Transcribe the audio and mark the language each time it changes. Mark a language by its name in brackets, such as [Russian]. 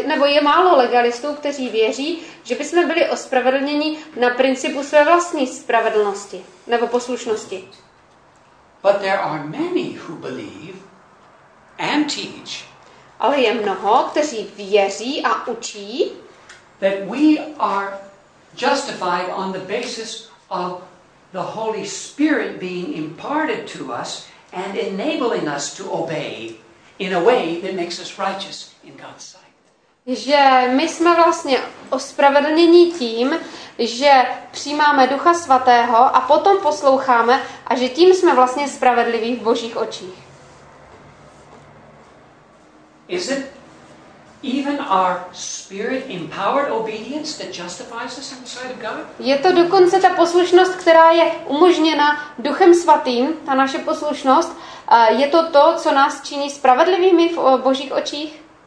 [Czech] Je málo legalistů, kteří věří, že bychom byli ospravedlněni na principu své vlastní spravedlnosti nebo poslušnosti. [English] But there are many who believe and teach. [Czech] Ale je mnoho, kteří věří a učí, [English] that we are justified on the basis of the Holy Spirit being imparted to us and enabling us to obey in a way that makes us righteous in God's sight. [Czech] Že my jsme vlastně ospravedlněni tím, že přijímáme Ducha Svatého a potom posloucháme a že tím jsme vlastně spravedliví v Božích očích. [English] Is it even our spirit empowered obedience that justifies us in the sight of God? [Czech] Je to dokonce ta poslušnost, která je umožněna Duchem Svatým, ta naše poslušnost, je to to, co nás činí spravedlivými v Božích očích?